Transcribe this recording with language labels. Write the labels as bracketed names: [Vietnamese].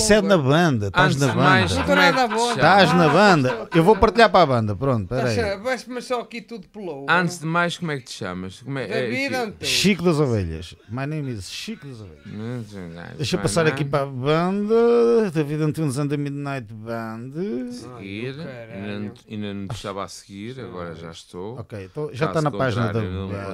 [Portuguese] Isso é na banda, estás na banda. Não estou nada a boa. Estás na banda. Eu vou partilhar para a banda, pronto, peraí. Mas só aqui tudo pelou. Antes de mais, como é que te chamas? David Antunes. [English] Chico das Ovelhas. My name is Chico das Ovelhas. [Portuguese] Deixa eu passar aqui para a banda. [English] David Antunes and the Midnight Band. [Portuguese] Seguir. Ainda não te estava a seguir. Agora já estou. Ok, já está na página da Google.